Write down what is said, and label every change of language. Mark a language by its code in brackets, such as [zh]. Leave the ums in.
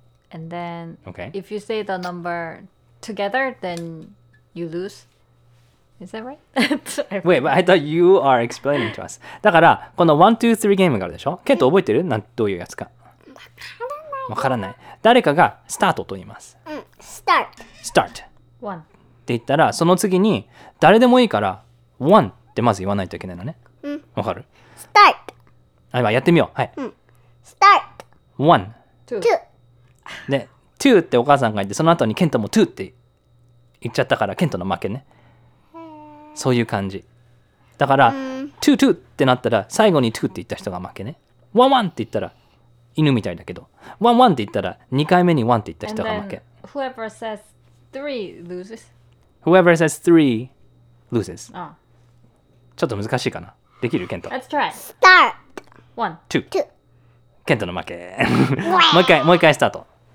[en] and then if you say the number together, then you lose. Is that right? w a i you are explaining to us. [ja] だから、この1、2、3ゲームがあるでしょケント覚えてるなんどういうやつか。わからない。誰かがスタートと言います。うん、スタート。スタート。One. って言ったら、その次に誰でもいいから、One ってまず言わないといけないのね。わ、うん、かるスタート。あ、今やってみよう。はい。うん、スタ [en] ート。One. Two. [ja] で、Two ってお母さんが言って、その後にケントも Two って言っちゃったから、ケントの負けね。そういう感じ。だから、トゥトゥってなったら、最後にトゥって言った人が負けね。ワンワンって言ったら、犬みたいだけど。ワンワンって言ったら、2回目にワンって言った人が負け。 [en] Then, whoever says t loses. Whoever says t loses.、Oh. [ja] ちょっと難しいかなできるケント。 [en] Let's try. Start. One.、 [ja] Two. ケントの負け。もう一回、もう一回スタート。